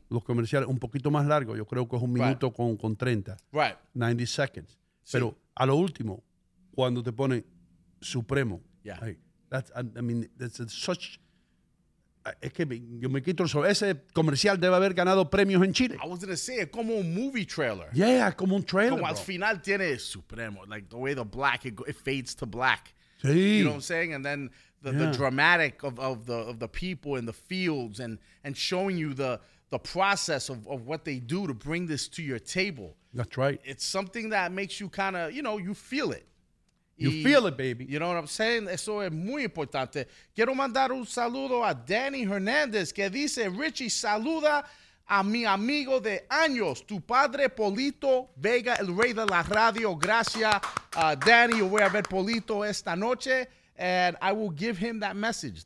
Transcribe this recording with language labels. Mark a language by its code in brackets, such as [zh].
[es] Los comerciales un poquito más largos. Yo creo que es un minuto con 30. [en] Right. 90 seconds. [es] Sí. Pero a lo último, cuando te pone supremo. [en] Yeah. Hey, that's such... [es] Es que yo me quito el sol. Ese comercial debe haber ganado premios en Chile. [en] I was going to say, [es] es como un [en] movie trailer. [es] Yeah, como un trailer, como [en] bro. [es] Al final tiene supremo. [en] Like, the way the black, it fades to black. [es] Sí. [en] You know what I'm saying? And then the dramatic of the people in the fields and showing you the process of what they do to bring this to your table. That's right. It's something that makes you kind of, you know, you feel it. You feel it, baby. You know what I'm saying? [es] Eso es muy importante. Quiero mandar un saludo a Danny Hernandez, que dice, Richie, saluda a mi amigo de años, tu padre Polito Vega, el rey de la radio. Gracias, Danny. Yo voy a ver Polito esta noche, [en] and I will give him that message.